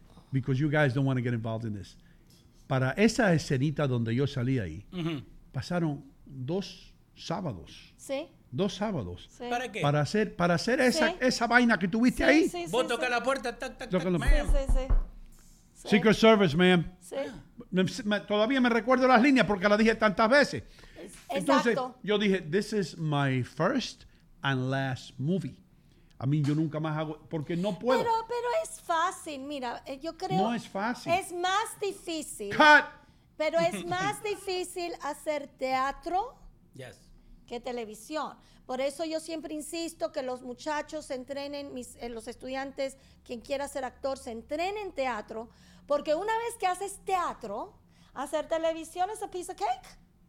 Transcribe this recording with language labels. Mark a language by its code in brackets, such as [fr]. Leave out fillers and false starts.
[en] Because you guys don't want to get involved in this. [es] Para esa escenita donde yo salí ahí, pasaron 2 sábados. Sí. 2 sábados. Sí. ¿Para qué? Para hacer esa vaina que tuviste ahí. Sí, sí. Vos sí, tocas sí la puerta, tac, [en] ma'am. Sí. Secret Service, ma'am. [es] Sí. Todavía me recuerdo las líneas porque las dije tantas veces. Entonces, exacto. Yo dije, [en] this is my first and last movie. [es] A mí yo nunca más hago, porque no puedo. Pero es fácil, mira, yo creo. No es fácil. Es más difícil. [en] ¡Cut! [es] Pero es más difícil hacer teatro [en] yes [es] que televisión. Por eso yo siempre insisto que los muchachos entrenen, los estudiantes, quien quiera ser actor, se entrenen en teatro, porque una vez que haces teatro, hacer televisión es [en] a piece of cake.